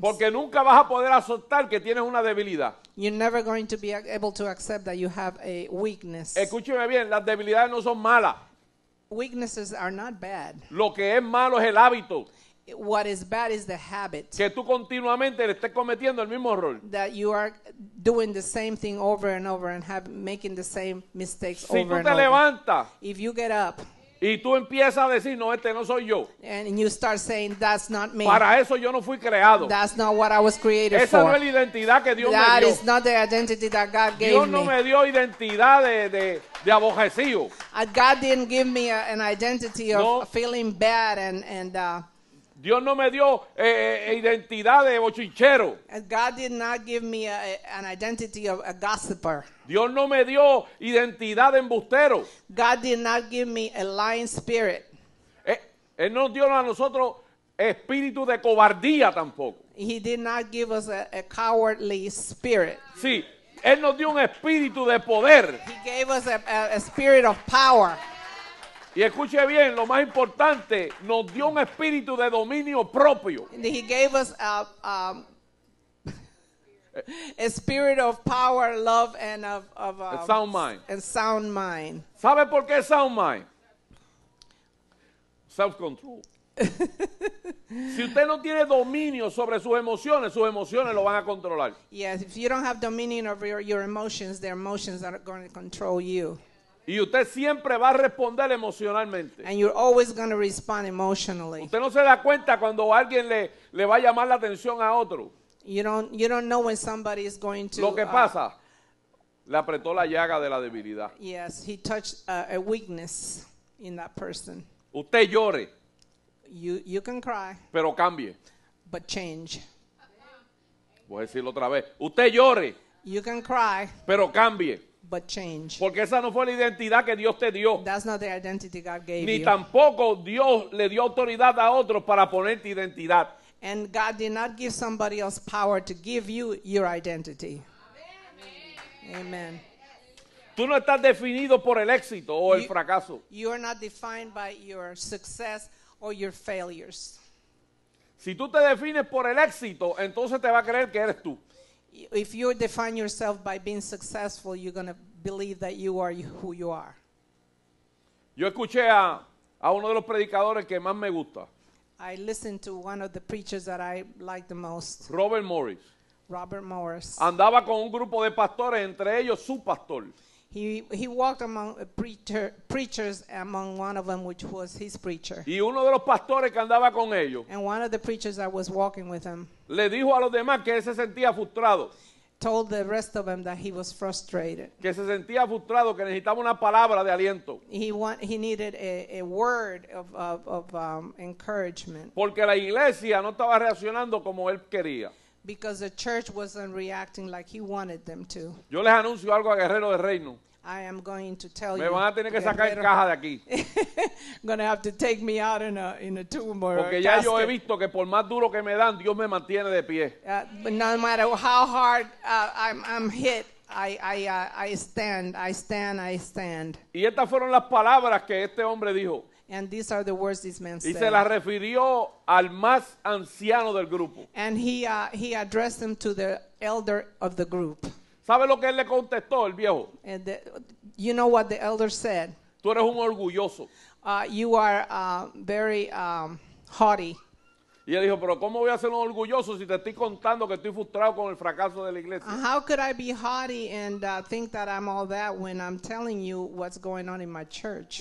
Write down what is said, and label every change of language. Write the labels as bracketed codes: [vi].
[es] Porque nunca vas a poder aceptar que tienes una debilidad. [en] You're never going to be able to accept that you have a weakness. [es] Escúcheme bien, las debilidades no son malas. [en] Weaknesses are not bad. [es] Lo que es malo es el hábito. [en] What is bad is the habit. [es] Que tú continuamente estés cometiendo el mismo error. [en] That you are doing the same thing over and over and making the same mistakes [es] si [en] over and [es] te [en] over. [es] Levanta, [en] if you get up. [es] Y tú empiezas a decir, no, este no soy yo. [en] And you start saying, that's not me. [es] Para eso yo no fui creado. [en] That's not what I was created [es] esa [en] for. [es] Esa no es la identidad que Dios [en] that [es] me dio. [en] That is not the identity that God [es] Dios [en] gave [es] no [en] me. [es] Dios no me dio identidad de abojecido. [en] God didn't give me an identity of no. feeling bad and [es] Dios no me dio identidad de bochinchero. [en] God did not give me an identity of a gossiper. [es] Dios no me dio identidad de embustero. [en] God did not give me a lying spirit. [es] Él nos dio a nosotros espíritu de cobardía tampoco. [en] He did not give us a cowardly spirit. [es] Sí, él nos dio un espíritu de poder. [en] He gave us a spirit of power. [es] Y escuche bien, lo más importante, nos dio un espíritu de dominio propio. [en] He gave us a spirit of power, love, and a sound mind. And sound mind. [es] ¿Sabe por qué [en] sound mind? Self-control. [es] Si usted no tiene dominio sobre sus emociones lo van a controlar. [en] Yes, if you don't have dominion over your emotions, their emotions are going to control you. [es] Y usted siempre va a responder emocionalmente. [en] And you're always going to respond emotionally. [es] Usted no se da cuenta cuando alguien le va a llamar la atención a otro. [en] You don't know when somebody is going to. [es] Lo que pasa, le apretó la llaga de la debilidad. [en] Yes, he touched a weakness in that person. [es] Usted llore. [en] You can cry. [es] Pero cambie. [en] But change. [es] Voy a decirlo otra vez. Usted llore. [en] You can cry. [es] Pero cambie. [en] But change. [es] Porque esa no fue la identidad que Dios te dio. [en] That's not the identity God gave [es] Ni [en] you. [es] Tampoco Dios le dio autoridad a otros para ponerte identidad. [en] And God did not give somebody else power to give you your identity. Amen. Amen. [es] Tú no estás definido por el éxito o el fracaso. [en] You are not defined by your success or your failures. [es] Si tú te defines por el éxito, entonces te va a creer que eres tú. [en] If you define yourself by being successful, you're going to believe that you are who you are. [es] Yo escuché a uno de los predicadores que más me gusta. [en] I listened to one of the preachers that I like the most. Robert Morris. [es] Andaba con un grupo de pastores, entre ellos su pastor. [en] He walked among preachers, among one of them, which was his preacher. [es] Y uno de los pastores que andaba con ellos. [en] And one of the preachers that was walking with him. [es] Le dijo a los demás que él se sentía frustrado. [en] Told the rest of them that he was frustrated. [es] Que se sentía frustrado, que necesitaba una palabra de aliento. [en] He needed a word of encouragement. [es] Porque la iglesia no estaba reaccionando como él quería. [en] Because the church wasn't reacting like he wanted them to. [es] Yo les anuncio algo a Guerrero del Reino. [en] I am going to tell [es] me [en] you. [es] Me van a tener que sacar en caja de aquí. [en] Going to have to take me out in a tomb or [es] Porque [en] a [es] ya [en] casket. [es] Yo he visto que por más duro que me dan, Dios me mantiene de pie. [en] No matter how hard I'm hit, I stand. [es] Y estas fueron las palabras que este hombre dijo. [en] And these are the words this man said. [es] Y se la refirió al más anciano del grupo. [en] And he addressed him to the elder of the group. [es] ¿Sabe lo que él le contestó, el viejo? [en] And you know what the elder said. [es] Tú eres un orgulloso. [en] You are very haughty. [es] Y él dijo, pero ¿cómo voy a ser un orgulloso si te estoy contando que estoy frustrado con el fracaso de la iglesia? [en] How could I be haughty and think that I'm all that when I'm telling you what's going on in my church?